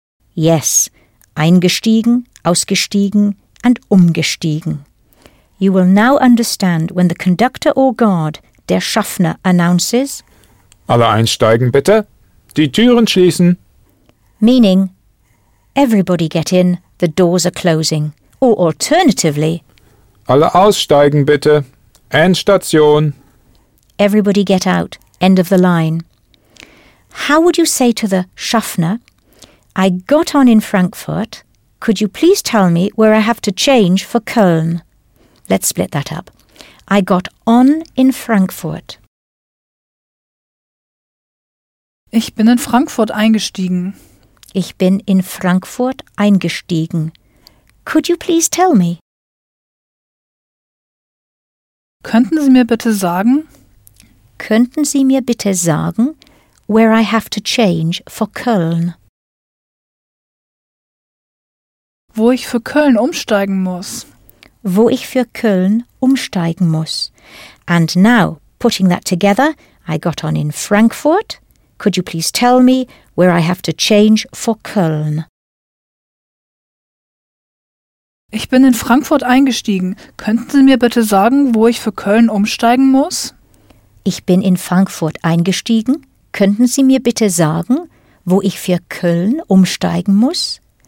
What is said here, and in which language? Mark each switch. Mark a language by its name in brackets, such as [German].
[German] Yes, eingestiegen, ausgestiegen and umgestiegen. [English] You will now understand when the conductor or guard, der Schaffner, announces, [German] alle einsteigen bitte, die Türen schließen. [English] Meaning, Everybody get in. The doors are closing. Or alternatively... [German] Alle aussteigen, bitte. Endstation. [English] Everybody get out. End of the line. How would you say to the Schaffner, I got on in Frankfurt. Could you please tell me where I have to change for Köln? Let's split that up. I got on in Frankfurt. [German] Ich bin in Frankfurt eingestiegen. Ich bin in Frankfurt eingestiegen. [English] Could you please tell me? [German] Könnten Sie mir bitte sagen? Könnten Sie mir bitte sagen, [English] where I have to change for Köln? [German] Wo ich für Köln umsteigen muss. Wo ich für Köln umsteigen muss. [English] And now, putting that together, I got on in Frankfurt. Could you please tell me where I have to change for Köln? [German] Ich bin in Frankfurt eingestiegen. Könnten Sie mir bitte sagen, wo ich für Köln umsteigen muss? Ich bin in Frankfurt eingestiegen. Könnten Sie mir bitte sagen, wo ich für Köln umsteigen muss?